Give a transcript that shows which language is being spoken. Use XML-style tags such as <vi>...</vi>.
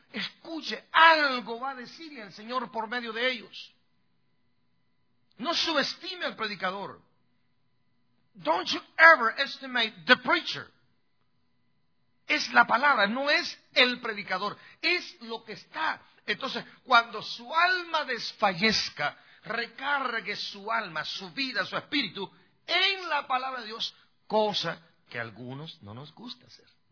<es>Escuche, algo va a decir el Señor por medio de ellos. No subestime al predicador.</es> <en>Don't you ever estimate the preacher.</en> <es>Es la palabra, no es el predicador. Es lo que está. Entonces, cuando su alma desfallezca, recargue su alma, su vida, su espíritu, en la palabra de Dios, cosa que a algunos no nos gusta hacer.</es>